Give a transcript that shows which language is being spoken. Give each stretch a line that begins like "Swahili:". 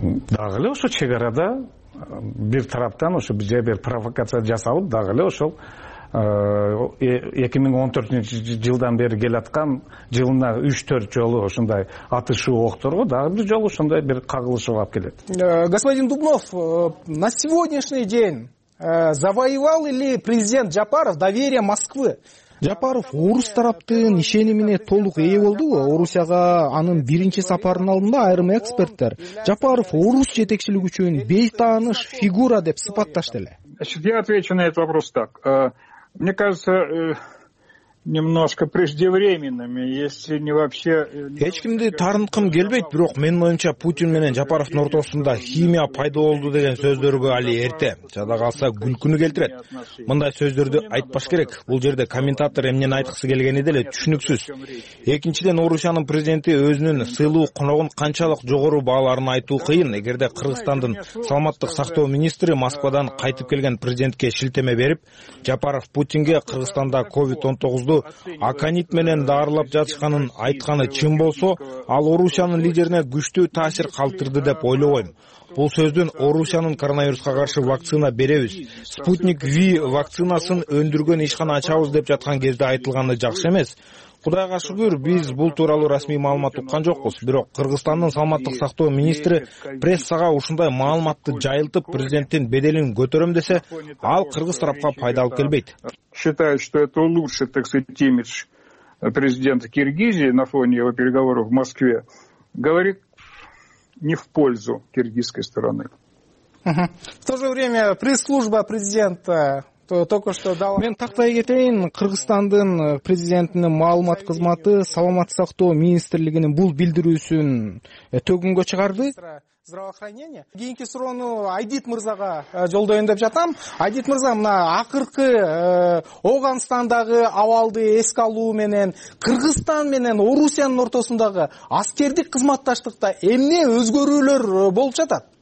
Kyrgyz: Дагы эле ошо чек арада бир тараптан ошо бизге бир провокация жасалып, дагы эле ошол 2014 жылдан бери келаткан жылына 3-4 жолу ушундай атышуу окторго дагы бир жолу ушундай бир кагылышуу алып келет.
Russian: Господин Дубнов, на сегодняшний день завоевал ли президент Жапаров доверие Москвы?
Kyrgyz: Жапаров орус тараптын ишенимине толук ээ болдубу? Орусияга анын биринчи сапарынын алдында айрым эксперттер Жапаров орус жетекчилиги үчүн бейтааныш фигура деп сыпатташты эле.
Russian: Я отвечу на этот вопрос так. Мне кажется, немножко преждевременными, если не вообще...
Kyrgyz: Эч кимди тарынткым келбейт, бирок менин оюмча Путин менен Жапаровдун ортосунда химия пайда болду деген сөздөргө али эрте. Жада калса күлкүнү келтирет. Мындай сөздөрдү айтпаш керек. Бул жерде комментатор эмнени айткысы келгени деле түшүнүксүз. Экинчиден, Орусиянын президенти өзүнүн сыйлуу коногун канчалык жогору бааларын айтуу кыйын. Эгерде Кыргызстандын саламаттык сактоо министри Москвадан кайтып келген президентке шилтеме берип, Жапаров Путинге Кыргызстанда COVID-19 Аконит менен дарылап жатышканын айтканы чын болсо, ал Орусиянын лидерине күчтүү таасир калтырды деп ойлобойм. Бул сөздүн Орусиянын коронавируска каршы вакцина беребиз, Спутник V вакцинасын өндүргөн ишкана ачабыз деп жаткан кезде айтылганы жакшы эмес. Кудайга шүгүр, биз бул тууралуу расмий маалымат уккан жокпуз. Бирок Кыргызстандын саламаттык сактоо министри прессага ушундай маалыматты жайылтып, президенттин беделин көтөрөм десе, ал кыргыз тарапка пайдалуу келбейт.
Russian: Считаю, что это улучшит, так сказать, имидж президента Киргизии на фоне его переговоров в Москве. Говорит не в пользу киргизской стороны. В то же время пресс-служба президента только что дал...
Kyrgyz: Мен тактай кетейин, Кыргызстандын президентинин маалымат кызматы саламат сактоо министрлигинин бул билдирүүсүн төгүнгө чыгарды. Здравоохранение. Кийинки суроону Айдит мырзага жолдойюн деп жатам. Айдит мырза, мына акыркы Ооганстандагы абалды эске алуу менен Кыргызстан менен Орусиянын ортосундагы аскердик кызматташтыкта эмне өзгөрүүлөр болуп жатат?